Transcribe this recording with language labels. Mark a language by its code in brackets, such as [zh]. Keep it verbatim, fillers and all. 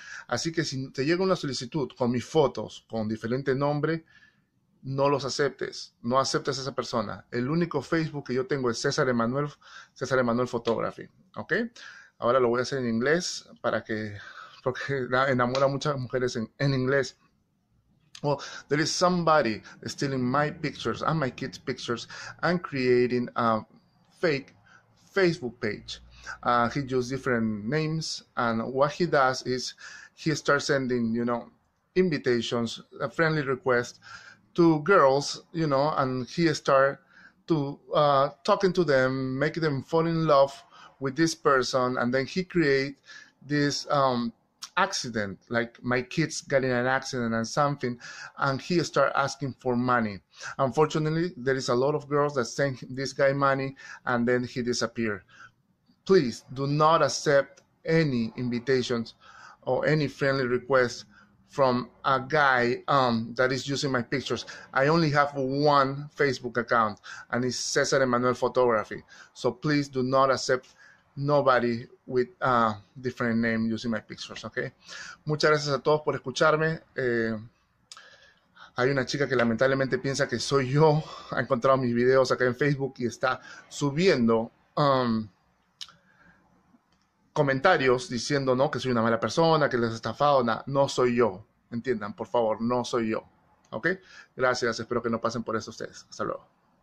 [es] Así que si te llega una solicitud con mis fotos, con diferente nombre, no los aceptes. No aceptes a esa persona. El único Facebook que yo tengo es César Emanuel, César Emanuel Photography, ¿ok? Ahora lo voy a hacer en inglés para que, porque enamora a muchas mujeres en, en inglés. [en] Well, there is somebody stealing my pictures and my kids' pictures and creating a fake Facebook page. Uh, he uses different names, and what he does is he starts sending, you know, invitations, a friendly request to girls, you know, and he start to uh, talking to them, make them fall in love with this person, and then he create this um, accident, like my kids got in an accident and something, and he start asking for money. Unfortunately, there is a lot of girls that send this guy money, and then he disappear. Please do not accept any invitations or any friendly requests from a guy um, that is using my pictures. I only have one Facebook account, and it's Cesar Emanuel Photography. So please do not accept nobody with a different name using my pictures, okay? [es] Muchas gracias a todos por escucharme. Eh, hay una chica que lamentablemente piensa que soy yo. Ha encontrado mis videos acá en Facebook y está subiendo um, comentarios diciendo, no, que soy una mala persona, que les he estafado, na- no soy yo. Entiendan, por favor, no soy yo. ¿Ok? Gracias, espero que no pasen por eso ustedes. Hasta luego.